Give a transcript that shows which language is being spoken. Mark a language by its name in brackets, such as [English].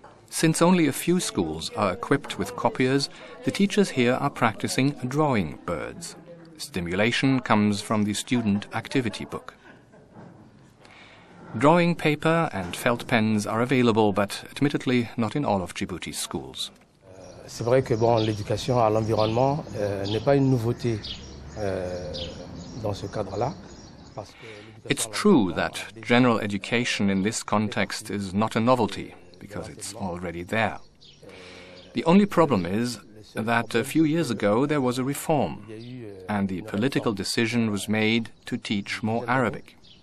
[English] Since only a few schools are equipped with copiers, the teachers here are practicing drawing birds. Stimulation comes from the student activity book. Drawing paper and felt pens are available, but admittedly not in all of Djibouti's schools. [French] C'est vrai que bon, l'éducation à l'environnement n'est pas une nouveauté dans ce cadre-là. [English] It's true that general education in this context is not a novelty, because it's already there. The only problem is that a few years ago there was a reform and the political decision was made to teach more Arabic.